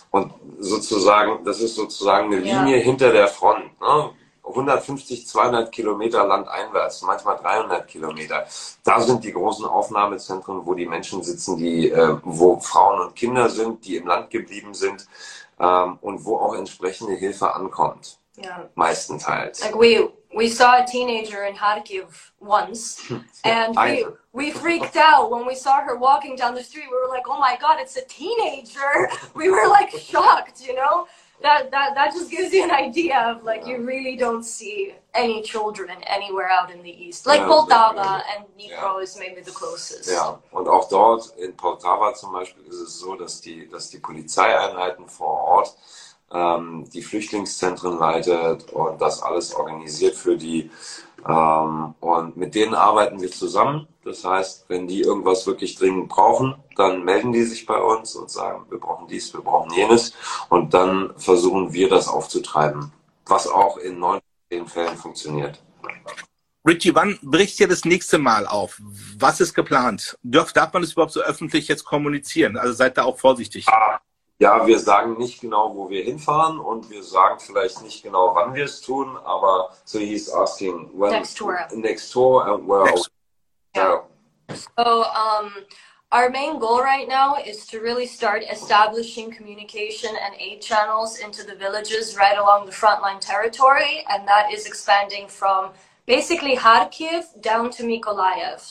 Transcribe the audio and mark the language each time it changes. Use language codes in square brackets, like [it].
[de] Und sozusagen, das ist sozusagen eine Linie hinter der Front. Ne? 150, 200 Kilometer landeinwärts, manchmal 300 Kilometer. Da sind die großen Aufnahmezentren, wo die Menschen sitzen, wo Frauen und Kinder sind, die im Land geblieben sind und wo auch entsprechende Hilfe ankommt. Ja. Meistenteils. [en] We saw a teenager in Kharkiv once, and we freaked out when we saw her walking down the street. We were like, oh my God, it's a teenager. We were like shocked, you know? That just gives you an idea of like, you really don't see any children anywhere out in the east. Like Poltava and Dnipro is maybe the closest. [de] Ja, und auch dort in Poltava zum Beispiel ist es so, dass die Polizeieinheiten vor Ort die Flüchtlingszentren leitet und das alles organisiert für die. Und mit denen arbeiten wir zusammen. Das heißt, wenn die irgendwas wirklich dringend brauchen, dann melden die sich bei uns und sagen, wir brauchen dies, wir brauchen jenes. Und dann versuchen wir, das aufzutreiben, was auch in 9 von 10 Fällen funktioniert. Richie, wann bricht ihr das nächste Mal auf? Was ist geplant? Darf man das überhaupt so öffentlich jetzt kommunizieren? Also seid da auch vorsichtig. Ja, wir sagen nicht genau, wo wir hinfahren und wir sagen vielleicht nicht genau, wann wir es tun, aber [en] so he's asking, when next tour. Next tour and where next. So, our main goal right now is to really start establishing communication and aid channels into the villages right along the frontline territory, and that is expanding from basically Kharkiv down to Mykolaiv.